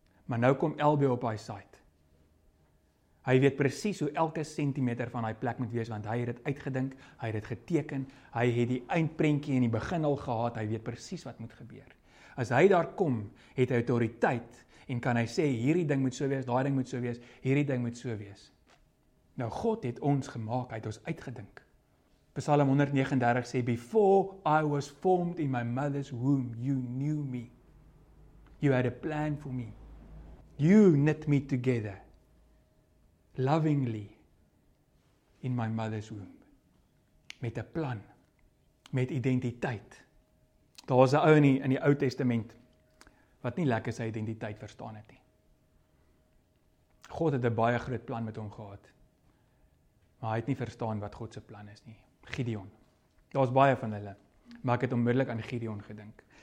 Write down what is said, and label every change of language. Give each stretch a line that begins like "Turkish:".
Afrikaans: Maar nou kom LB op hy site. Hy weet presies hoe elke sentimeter van hy plek moet wees, want hy het dit uitgedink, hy het dit geteken, hy het die eindprentjie in die begin al gehad, hy weet presies wat moet gebeur. As hy daar kom, het hy autoriteit, en kan hy sê, hierdie ding moet so wees, daai ding moet so wees, hierdie ding moet so wees. Nou God het ons gemaak, hy het ons uitgedink.
English: Psalm 139 sê, before I was formed in my mother's womb, you knew me. You had a plan for me. You knit me together, lovingly, in my mother's womb.
Afrikaans: Met 'n plan, met identiteit. Daar was 'n ou in die Ou Testament, wat nie lekker sy identiteit verstaan het nie. God het 'n baie groot plan met hom gehad, maar hy het nie verstaan wat God se plan is nie. Gideon. Daar is baie van hulle. Maar ek het onmiddellik aan Gideon gedink.